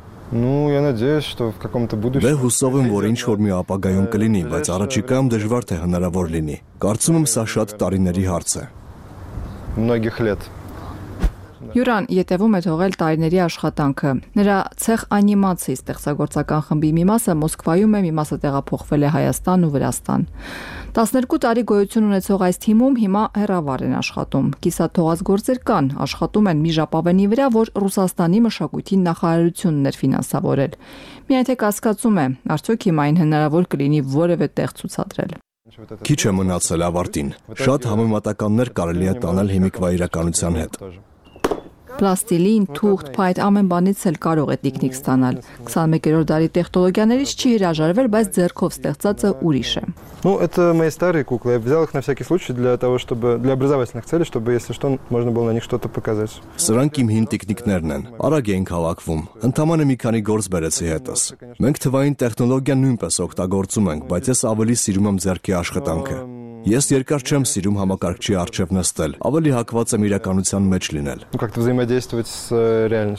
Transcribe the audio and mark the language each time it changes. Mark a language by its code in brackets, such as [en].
[ru] Я надеюсь, что в каком-то будущем. [hy] Դե հուսով եմ, որ ինչ որ մի ապագայում կլինի, բայց առաջիկայում դժվար թե հնարավոր լինի։ Կարծում եմ, սա շատ տարիների հարց է։ [ru] Многих лет. [hy] Յուրան յետևում է թողել տարիների աշխատանքը։ Նրա ցեղ անիմացիայի ստեղծագործական խմբի մի մասը Մոսկվայում է, մի մասը տեղափոխվել է Հայաստան ու Վրաստան։ 12 տարի գոյություն ունեցող այս թիմում հիմա հեռավար են աշխատում։ Կիսաթողած գործեր կան, աշխատում են մի ժապավենի վրա, որ Ռուսաստանի մշակույթի նախարարությունն էր ֆինանսավորել։ Միայն թե կասկածում է, արդյոք հիմա այն հնարավոր կլինի որևէ տեղ ցուցադրել։ Քիչ է մնացել ավարտին։ Շատ համեմատականներ կարելի է տանել հիմիկվա իրականության հետ։ Պլաստիլին, թուղթ, փայտ ամեն բանից էլ կարող է տիկնիկ ստանալ։ 21-րդ դարի տեխնոլոգիաներից չի հրաժարվել, բայց ձեռքով ստեղծածը ուրիշ է։ [ru] Ну, это мои старые куклы. Я взял их на всякий случай для того, чтобы для образовательных целей, чтобы если что, можно было на них что-то показать. [hy] Սրանք իմ հին տիկնիկներն են։ Արագ ենք հավաքվում։ Ընդամենը մի քանի գործ բերեցի հետս։ Մենք թվային տեխնոլոգիան նույնպես օգտագործում ենք, բայց ես ավելի սիրում եմ ձեռքի աշխատանքը։ Ես երկար չեմ սիրում համակարգչի առջև նստել, ավելի հակված եմ իրականության մեջ լինել։